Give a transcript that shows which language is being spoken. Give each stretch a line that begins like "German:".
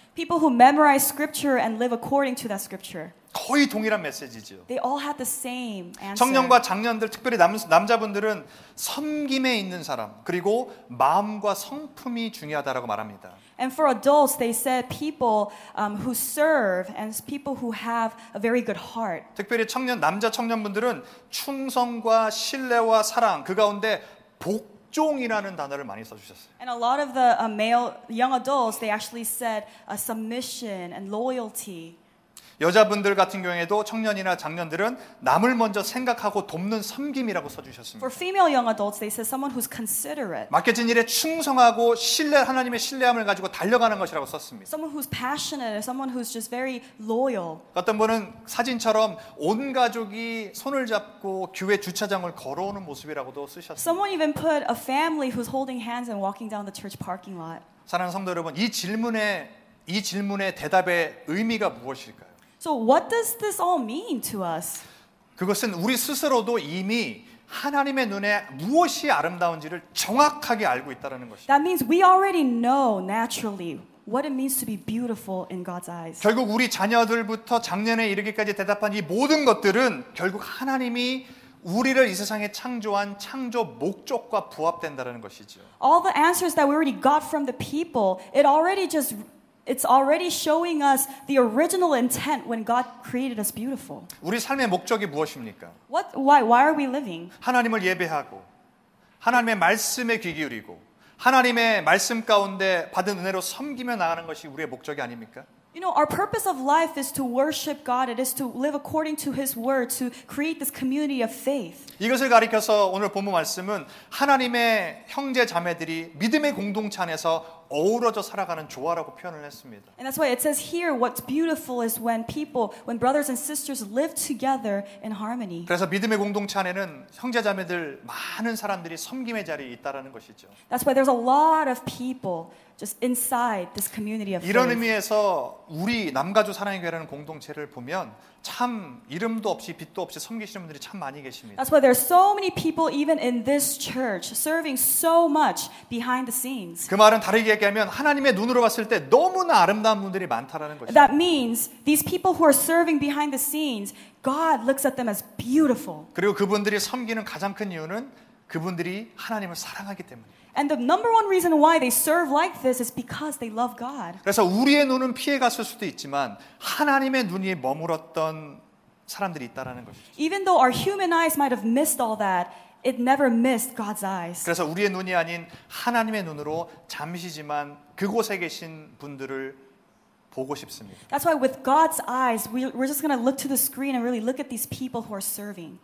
English: People who memorize scripture and live according to that scripture.
Korean: 거의 동일한 메시지죠.
English: They all had the same answer.
Korean: 청년과 장년들, 특별히 남자분들은 섬김에 있는 사람, 그리고 마음과 성품이 중요하다라고 말합니다.
English: And for adults, they said people who serve and people who have a very good heart.
Korean: 특별히 청년, 남자 청년분들은 충성과 신뢰와 사랑, 그 가운데 복 종이라는 단어를 많이 써주셨어요.
English: And a lot of the male young adults, they actually said a submission and loyalty.
Korean: 여자분들 같은 경우에도 청년이나 장년들은 남을 먼저 생각하고 돕는 섬김이라고 써주셨습니다.
English: For female young adults, they said someone who's considerate.
Korean: 맡겨진 일에 충성하고 신뢰 하나님의 신뢰함을 가지고 달려가는 것이라고 썼습니다.
English: Someone who's passionate, someone who's just very loyal.
Korean: 어떤 분은 사진처럼 온 가족이 손을 잡고 교회 주차장을 걸어오는 모습이라고도 쓰셨습니다.
English: Someone even put a family who's holding hands and walking down the church parking lot.
Korean: 사랑하는 성도 여러분, 이 질문의 대답의 의미가 무엇일까요?
English: So what does this all mean to us?
Korean: 그것은 우리 스스로도 이미 하나님의 눈에 무엇이 아름다운지를 정확하게 알고 있다라는 것입니다.
English: That means we already know naturally what it means to be beautiful in God's eyes.
Korean: 결국 우리 자녀들부터 작년에 이르기까지 대답한 이 모든 것들은 결국 하나님이 우리를 이 세상에 창조한 창조 목적과 부합된다라는 것이죠.
English: All the answers that we already got from the people, it already just It's already showing us the original intent when God created us beautiful.
Korean: 우리 삶의 목적이 무엇입니까?
English: Why are we living?
Korean: 하나님을 예배하고 하나님의 말씀에 귀 기울이고 하나님의 말씀 가운데 받은 은혜로 섬기며 나가는 것이 우리의 목적이 아닙니까?
English: You know, our purpose of life is to worship God. It is to live according to His word, to create this community of faith.
Korean: 이것을 가리켜서 오늘 본문 말씀은 하나님의 형제 자매들이 믿음의 공동체 안에서 어우러져 살아가는 조화라고 표현을 했습니다.
English: And that's why it says here, what's beautiful is when brothers and sisters live together in harmony.
Korean: 그래서 믿음의 공동체 안에는 형제 자매들 많은 사람들이 섬김의 자리에 있다라는 것이죠.
English: That's why there's a lot of people. Just inside this community of faith.
Korean: 이런 의미에서 우리 남가주 사랑의 교회라는 공동체를 보면 참 이름도 없이 빛도 없이 섬기시는 분들이 참 많이 계십니다.
English: That's why there are so many people even in this church serving so much behind the scenes.
Korean: 그 말은 다르게 얘기하면 하나님의 눈으로 봤을 때 너무나 아름다운 분들이 많다라는 것이죠.
English: That means these people who are serving behind the scenes, God looks at them as beautiful.
Korean: 그리고 그분들이 섬기는 가장 큰 이유는 그분들이 하나님을 사랑하기 때문입니다.
English: And the number one reason why they serve like this is because they love God.
Korean: 그래서 우리의 눈은 피해 갔을 수도 있지만 하나님의 눈이 머물었던 사람들이 있다라는 것이죠.
English: Even though our human eyes might have missed all that, it never missed God's eyes.
Korean: 그래서 우리의 눈이 아닌 하나님의 눈으로 잠시지만 그곳에 계신 분들을 보고 싶습니다.
English: That's why with God's eyes, we're just going to look to the screen and really look at these people who are serving.